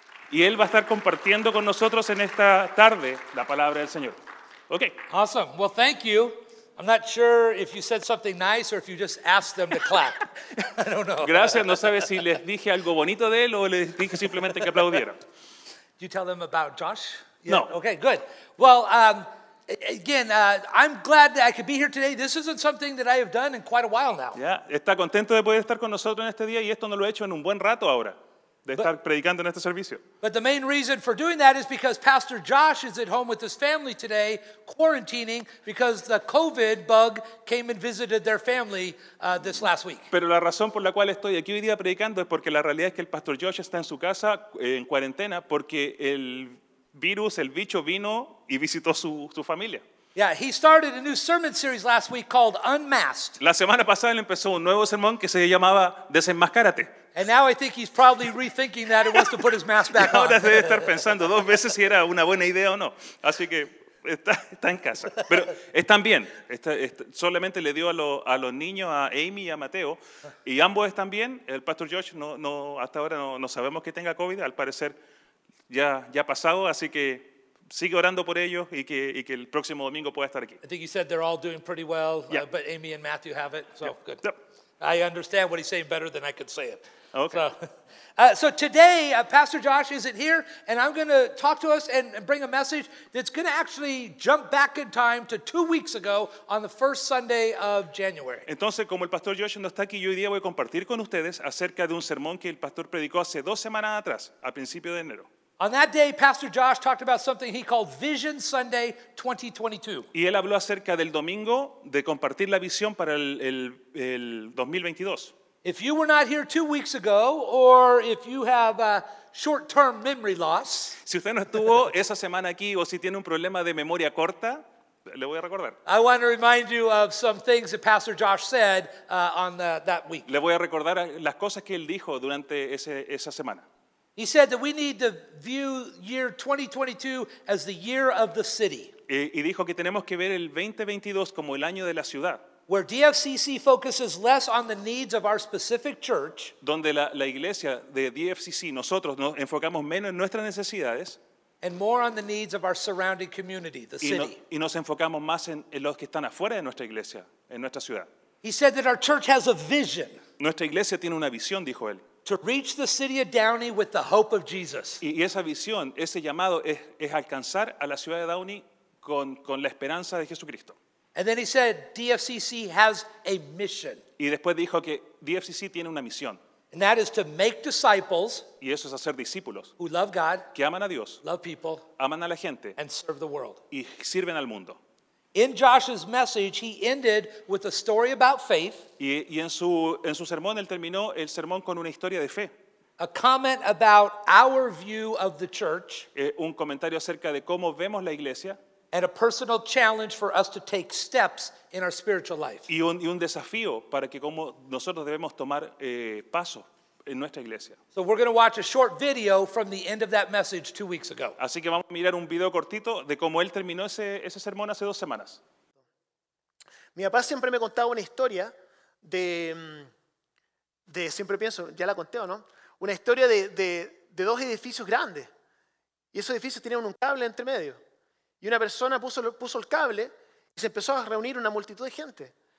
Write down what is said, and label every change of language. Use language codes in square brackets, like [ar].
[es] Y él va a estar compartiendo con nosotros en esta tarde la palabra del Señor. [en] Okay. Awesome. Well, thank you. I'm not sure if you said something nice or if you just asked them to clap. I don't know. [es] Gracias. No sabes si les dije algo bonito de él o les dije simplemente que aplaudieran. [en] Did you tell them about Josh? Yeah. No. Okay, good. Well, I'm glad that I could be here today. This isn't something that I have done in quite a while now. [es] Yeah, está contento de poder estar con nosotros en este día y esto no lo he hecho en un buen rato ahora. Estar predicando en este servicio. [en] But the main reason for doing that is because Pastor Josh is at home with his family today, quarantining because the COVID bug came and visited their family this last week. [es] Pero la razón por la cual estoy aquí hoy día predicando es porque la realidad es que el Pastor Josh está en su casa en cuarentena porque el virus, el bicho vino y visitó su familia. [en] Yeah, he started a new sermon series last week called Unmasked. [es] La semana pasada él empezó un nuevo sermón que se llamaba Desenmascárate. [en] And now I think he's probably rethinking that and wants to put his mask back [es] ahora [en] on. [es] Ahora debe estar pensando dos veces si era una buena idea o no. Así que está en casa. Pero están bien. Solamente le dio a los niños, a Amy y a Mateo. Y ambos están bien. El Pastor Josh no hasta ahora no sabemos que tenga COVID. Al parecer ya ha pasado, así que sigue orando por ellos y que el próximo domingo pueda estar aquí. [en] I think you said they're all doing pretty well, yeah. But Amy and Matthew have it, so yeah. Good. Yep. I understand what he's saying better than I could say it. Okay. So today, Pastor Josh isn't here, and I'm going to talk to us and bring a message that's going to actually jump back in time to 2 weeks ago on the first Sunday of January. [es] Entonces, como el Pastor Josh no está aquí, yo hoy día voy a compartir con ustedes acerca de un sermón que el pastor predicó hace dos semanas atrás, a principio de enero. [en] On that day, Pastor Josh talked about something he called Vision Sunday 2022. [es] Y él habló acerca del domingo de compartir la visión para el 2022. [en] If you were not here 2 weeks ago, or if you have a short-term memory loss, [es] si usted no estuvo esa semana aquí o si tiene un problema de memoria corta, le voy a recordar. [en] I want to remind you of some things that Pastor Josh said on that week. [es] Le voy a recordar las cosas que él dijo durante esa semana. [en] He said that we need to view year 2022 as the year of the city. [es] Y dijo que tenemos que ver el 2022 como el año de la ciudad. [en] Where DFCC focuses less on the needs of our specific church. [es] Donde la iglesia de DFCC, nosotros nos enfocamos menos en nuestras necesidades. [en] And more on the needs of our surrounding community, the city. [es] Y nos enfocamos más en los que están afuera de nuestra iglesia, en nuestra ciudad. [en] He said that our church has a vision. [es] Nuestra iglesia tiene una visión, dijo él. [en] To reach the city of Downey with the hope of Jesus. [es] Y esa visión, ese llamado es alcanzar a la ciudad de Downey con la esperanza de Jesucristo. [en] And then he said DFCC has a mission. [es] Y después dijo que DFCC tiene una misión. [en] And that is to make disciples. [es] Y eso es hacer discípulos. [en] Who love God. [es] Que aman a Dios. [en] Love people. [es] Aman a la gente. [en] And serve the world. [es] Y sirven al mundo. [en] In Josh's message, he ended with a story about faith. [es] Y en su sermón, él terminó el sermón con una historia de fe. [en] A comment about our view of the church. [es] Un comentario acerca de cómo vemos la iglesia. [en] And a personal challenge for us to take steps in our spiritual life. [es] Y un desafío para que cómo nosotros debemos tomar pasos. En nuestra iglesia. [en] So we're going to watch a short video from the end of that message 2 weeks ago. [es] Así que vamos a mirar un video cortito de cómo él terminó ese sermón hace dos semanas. Mi papá siempre me contaba una historia de siempre pienso, ya la conté o no, una historia de dos edificios grandes. Y esos edificios tenían un cable entre medio. Y una persona puso el cable y se empezó a reunir una multitud de gente.